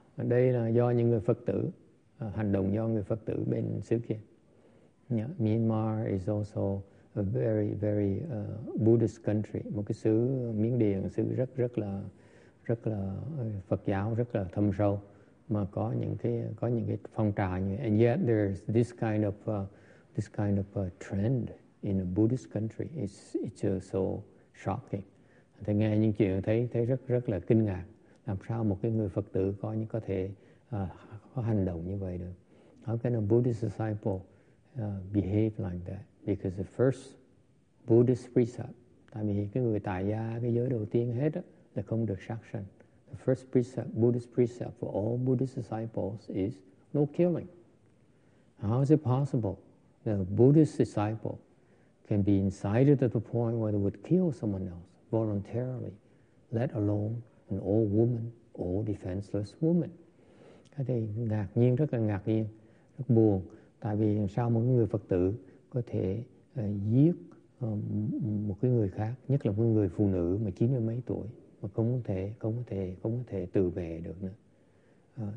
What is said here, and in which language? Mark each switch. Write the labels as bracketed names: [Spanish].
[Vietnamese] Đây là do những người Phật tử, hành động do người Phật tử bên xứ kia. Yeah. [English] Myanmar is also a very, very Buddhist country. [Vietnamese] Một cái xứ Miến Điện, xứ rất rất là Phật giáo, rất là thâm sâu, mà có những cái phong trào như. [English] And yet there's this kind of trend in a Buddhist country. It's so shocking. [Vietnamese] Thì nghe những chuyện thấy thấy rất rất là kinh ngạc. Làm sao một cái người Phật tử có những có thể có hành động như vậy được? [English] How can a Buddhist disciple behave like that? Because the first Buddhist precept, [Vietnamese] tại vì cái người tại gia cái giới đầu tiên hết đó, là không được sát sanh. [English] The first precept, Buddhist precept for all Buddhist disciples is no killing. How is it possible that a Buddhist disciple can be incited to the point where they would kill someone else voluntarily, let alone an old woman, old defenseless woman? [Vietnamese] Cái này ngạc nhiên, rất là ngạc nhiên, rất buồn. Tại vì sao một người Phật tử có thể giết một cái người khác, nhất là một người phụ nữ mà 90 mấy tuổi mà không có thể tự vệ được nữa.